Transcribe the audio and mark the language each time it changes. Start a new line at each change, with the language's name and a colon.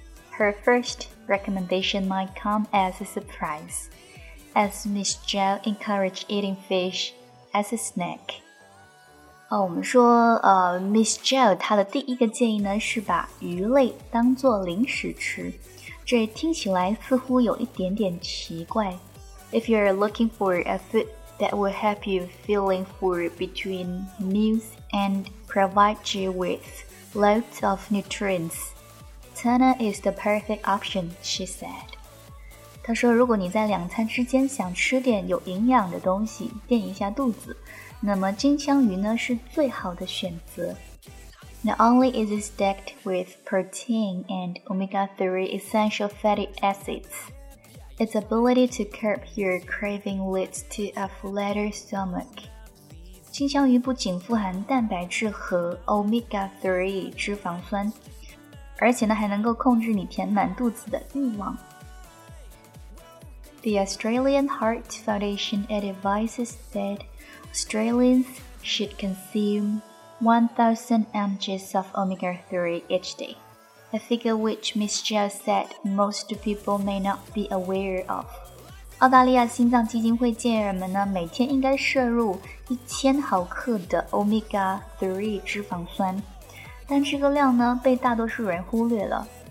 English: Her first recommendation might come as a surprise, as Miss Zhao encouraged eating fish as a snack.
Chinese: 我们说Miss Zhao 她的第一个建议呢是把鱼类当作零食吃，这听起来似乎有一点点奇怪。
English: If you're looking for a food that will help you feeling full between meals and provide you with loads of nutrients,Tuna is the perfect option, she said.
Chinese: 她说如果你在两餐之间想吃点有营养的东西垫一下肚子，那么金枪鱼呢是最好的选择。
English: Not only is it stacked with protein and omega-3 essential fatty acids, its ability to curb your craving leads to a flatter stomach.
Chinese: 金枪鱼不仅富含蛋白质和 omega-3 脂肪酸，而且呢还能够控制你填满肚子的欲望。
English: The Australian Heart Foundation advises that Australians should consume 1,000 mg of omega-3 each day, a figure which Ms. Jia said most people may not be aware of.
Chinese: 澳大利亚心脏基金会建议人们呢每天应该摄入1000毫克的 omega-3 脂肪酸。但这个量呢被大多数人忽略了。